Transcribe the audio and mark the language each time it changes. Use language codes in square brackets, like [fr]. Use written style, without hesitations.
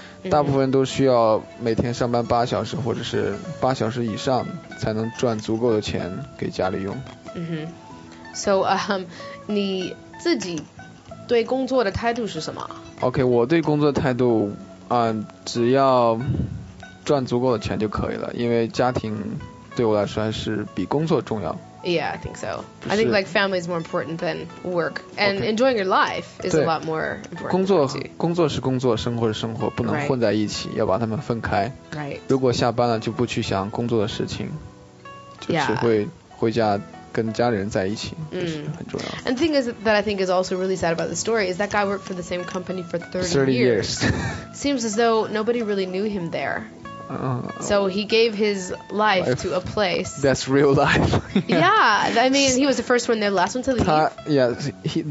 [zh] 大部分都需要每天上班八小时或者是八小时以上才能赚足够的钱给家里用。 So, 你自己对工作的态度是什么 ?OK, 我对工作的态度只要赚足够的钱就可以了因为家庭对我来说还是比工作重要。 [en] Yeah, I think so. I think like family is more important than work. And okay, enjoying your life is a lot more important. [zh] 工作工作是工作生活是生活不能混在一起、 [en] right. [zh] 要把它们分开。 [en] Right. [zh] 如果下班了就不去想工作的事情。 [en] Yeah. [zh] 就只会回家跟家人在一起。嗯、mm. 很重要。 [en] And the thing is that I think is also really sad about the story is that guy worked for the same company for 30 years. Seems as though nobody really knew him there. So he gave his life to a place. That's real life. Yeah. I mean, he was the first one there, last one to leave.